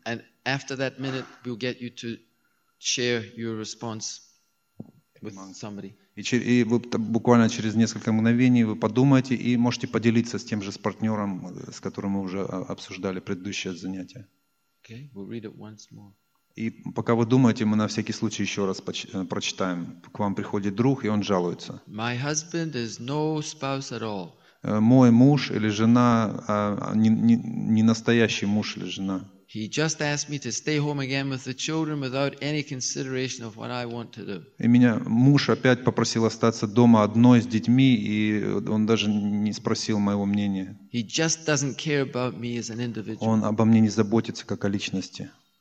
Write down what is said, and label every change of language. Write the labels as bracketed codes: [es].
[en] And after that minute, we'll get you to share your response with somebody. [ru] И вы буквально через несколько мгновений вы подумаете и можете поделиться с тем же с партнером, с которым мы уже обсуждали предыдущее занятие. [en] Okay, we'll read it once more. [ru] И пока вы думаете, мы на всякий случай еще раз прочитаем. К вам приходит друг, и он жалуется. [en] My husband is no spouse at all. [ru] Мой муж или жена, не настоящий муж или жена. [en] He just asked me to stay home again with the children without any consideration of what I want to do. [ru] И меня муж опять попросил остаться дома одной с детьми, и он даже не спросил моего мнения. [en] He just doesn't care about me as an individual. [ru] Он обо мне не заботится как о личности.